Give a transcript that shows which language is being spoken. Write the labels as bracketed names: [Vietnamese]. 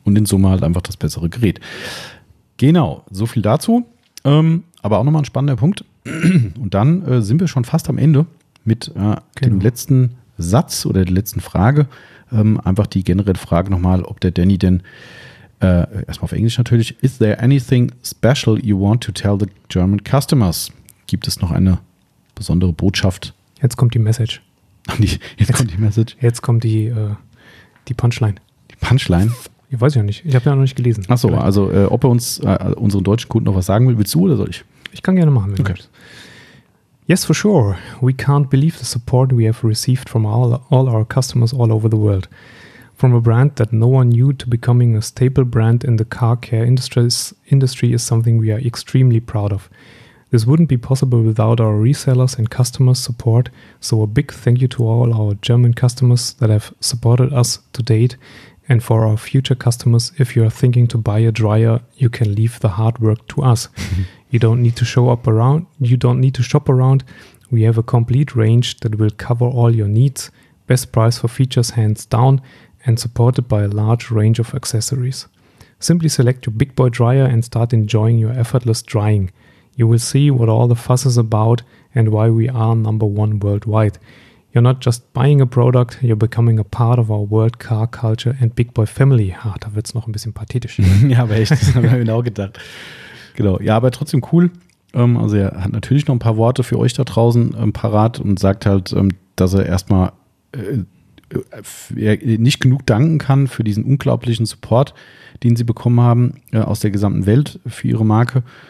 [German] Und in Summe halt einfach das bessere Gerät. Genau, so viel dazu. Aber auch nochmal ein spannender Punkt. Und dann sind wir schon fast am Ende mit dem letzten Satz oder der letzten Frage. Einfach die generelle Frage nochmal, ob der Danny denn erstmal auf Englisch natürlich. [English] Is there anything special you want to tell the German customers? [German] Gibt es noch eine besondere Botschaft? Jetzt kommt die Message. Jetzt kommt die Message. Jetzt kommt die Punchline. Die Punchline? Ich weiß ja nicht. Ich habe ja noch nicht gelesen. Achso, also ob er uns, unseren deutschen Kunden noch was sagen will, willst du oder soll ich? Ich kann gerne machen, wenn du willst. [English] Yes, for sure. We can't believe the support we have received from all our customers all over the world. From a brand that no one knew to becoming a staple brand in the car care industry is something we are extremely proud of. This wouldn't be possible without our resellers and customers' support, so a big thank you to all our German customers that have supported us to date, and for our future customers, if you are thinking to buy a dryer, you can leave the hard work to us. You don't need to shop around. We have a complete range that will cover all your needs, best price for features hands down, and supported by a large range of accessories. Simply select your Big Boy dryer and start enjoying your effortless drying. You will see what all the fuss is about and why we are number one worldwide. You're not just buying a product, you're becoming a part of our world car culture and Big Boy family. [German] Ah, da wird es noch ein bisschen pathetisch. Ja, aber echt, das haben wir genau gedacht. Genau, ja, aber trotzdem cool. Also er hat natürlich noch ein paar Worte für euch da draußen parat und sagt halt, dass er erstmal nicht genug danken kann für diesen unglaublichen Support, den sie bekommen haben aus der gesamten Welt für ihre Marke.